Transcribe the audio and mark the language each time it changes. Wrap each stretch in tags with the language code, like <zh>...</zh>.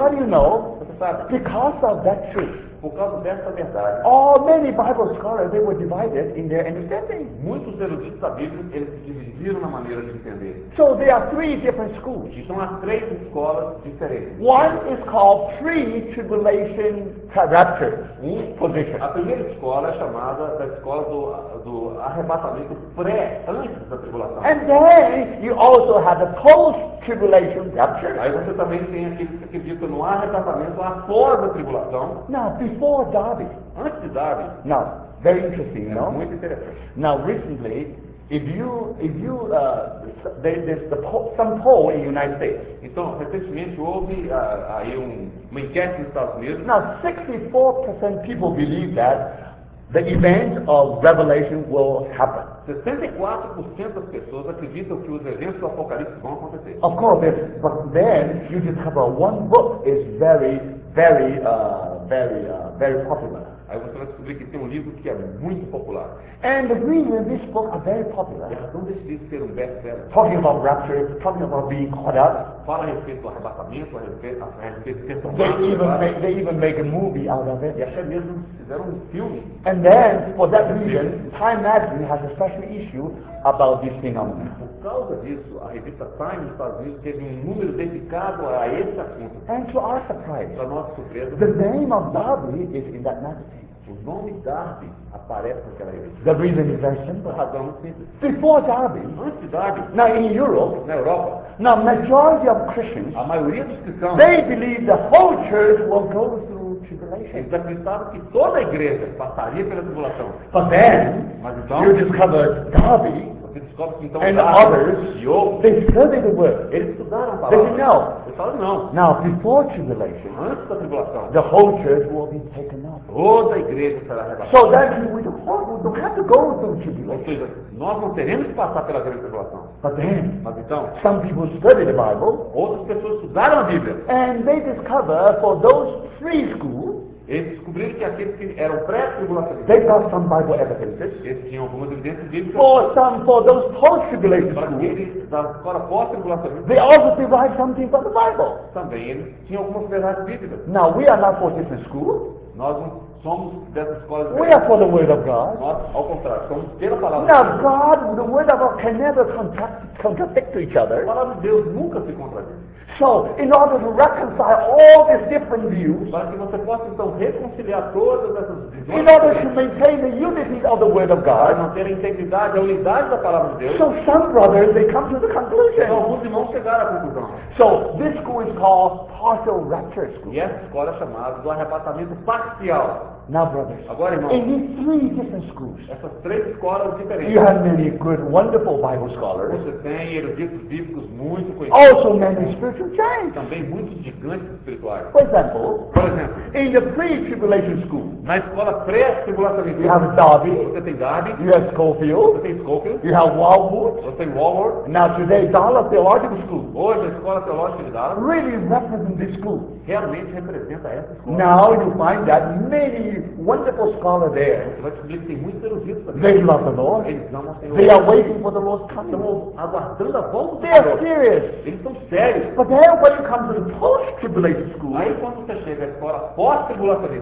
<en>How do you know?</en> <pt>Você sabe?</pt> <en>Because of that truth.</en> <pt>Por causa dessa verdade.</pt> <en>Oh, many Bible scholars, they were divided in their understanding.</en> <pt>Muitos eruditos da Bíblia, eles se dividiram na maneira de entender.</pt> <en>So there are three different schools.</en> <pt>Então há três escolas diferentes.</pt> <en>One is called pre-tribulation rapture position.</en> <pt>A primeira escola é chamada da escola do arrebatamento pré, antes da tribulação.</pt> <en>And then you also have the post-tribulation rapture.</en> <pt>Aí você também tem aqueles que acreditam no arrebatamento após a tribulação.</pt> <en>Não. Before Darby.</en> <pt>Antes de Darby.</pt> <en>Now, very interesting, you know?</en> <pt>É muito interessante.</pt> <en>Now, recently, some poll in the United States.</en> <pt>Então, recentemente houve aí uma enquete nos Estados Unidos.</pt> <en>Now, 64% people believe that the event of Revelation will happen.</en> <pt>64% das pessoas acreditam que os eventos do Apocalipse vão acontecer.</pt> <en>Of course, but then you discover one book is very, very, very, very popular.</en> <pt>Aí você vai descobrir que tem um livro que é muito popular.</pt> <en>And the reason this book are very popular.</en> <pt>E a razão desse livro ser best-seller.</pt> <en>Talking about rapture, talking about being caught up.</en> <pt>Fala a respeito do arrebatamento, a respeito do arrebatamento.</pt> <en>They even make a movie out of it.</en> <pt>E até mesmo fizeram filme.</pt> <en>And then, for that reason, Time Magazine has a special issue about this phenomenon.</en> <pt>Por causa disso, a revista Time nos Estados Unidos teve número dedicado a esse assunto.</pt> <en>And to our surprise,</en> <pt>para nossa surpresa,</pt> <en>the name of Darby is in that magazine.</en> <pt>O nome Darby aparece naquela revista.</pt> <en>The reason is very simple.</en> <pt>A razão é simples.</pt> <en>Before Darby.</en> <pt>Antes de Darby.</pt> <en>Now in Europe.</en> <pt>Na Europa.</pt> <en>Now majority of Christians.</en> <pt>A maioria dos cristãos.</pt> <en>They believe the whole church will go through tribulation.</en> <pt>Eles acreditavam que toda a igreja passaria pela tribulação.</pt> <en>But then.</en> <pt>Mas então.</pt> <en>You discover Darby.</en> <pt>Você descobre que então</pt> <en>and Darby, others.</en> <pt>E outros.</pt> <en>They studied the word.</en> <pt>Eles estudaram a palavra.</pt> <en>They said no.</en> <pt>Não.</pt> <en>Now, before tribulation,</en> <pt>antes da tribulação,</pt> <en>the whole church will be taken up.</en> <pt>Toda a igreja será arrebatada.</pt> <en>So that we don't have to go through tribulation.</en> <pt>Ou seja, nós não teremos que passar pela grande tribulação.</pt> <en>But then,</en> <pt>mas então,</pt> <en>some people study the Bible.</en> <pt>Outras pessoas estudaram a Bíblia.</pt> <en>And they discover for those three schools.</en> <pt>Eles descobriram que aqueles que eram pré-tribulacionistas.</pt> <en>They got some Bible evidences.</en> <pt>Eles tinham algumas evidências bíblicas.</pt> <en>For those post-tribulation schools. They also derived something from the Bible.</en> <pt>Também eles tinham algumas verdades bíblicas.</pt> <en>Now, we are not for different schools.</en> <pt>Nós não somos dessas escolas.</pt> <en>We are for the Word of God.</en> <pt>Nós, ao contrário, somos pela palavra.</pt> <en>Now, God, the Word of God can never contradict each other.</en> <pt>A palavra de Deus nunca se contradiz.</pt> <en>So, in order to reconcile all these different views,</en> <pt>para que você possa então reconciliar todas essas visões,</pt> <en>in order to maintain the unity of the Word of God,</en> <pt>para manter a integridade, a unidade da palavra de Deus,</pt> <en>so some brothers they come to the conclusion.</en> <pt>Então, alguns irmãos chegaram à conclusão.</pt> <en>So, this school is called partial rapture school.</en> <pt>E essa escola é chamada do arrebatamento parcial.</pt> <en>Now, brothers,</en> <pt>agora, irmão,</pt> <en>in these three different schools,</en> <pt>essas três escolas diferentes,</pt> <en>you have many good, wonderful Bible scholars.</en> <pt>Você tem eruditos bíblicos muito conhecidos.</pt> <en>Also many spiritual giants.</en> <pt>Também muitos gigantes espirituais. Por exemplo,</pt> <en>in the pre-tribulation school,</en> <pt>na escola pré-tribulação,</pt> <en>you have Darby.</en> <pt>Você tem Darby.</pt> <en>You have Scofield.</en> <pt>Você tem Scofield.</pt> <en>You have Walmart.</en> <pt>Você tem Walmart.</pt> <en>Now today, Dallas Theological School.</en> <pt>Hoje a escola teológica de Dallas</pt> <en>really represents this school.</en> <pt>Realmente representa essa escola.</pt> <en>Now you find that many wonderful scholars there. They love the Lord. They are waiting for the Lord's coming. They are serious.</en> <pt>Eles são sérios.</pt> <en>But then when you come to the post-tribulation school,</en> <pt>aí quando você chega à escola pós-tribulação,</pt>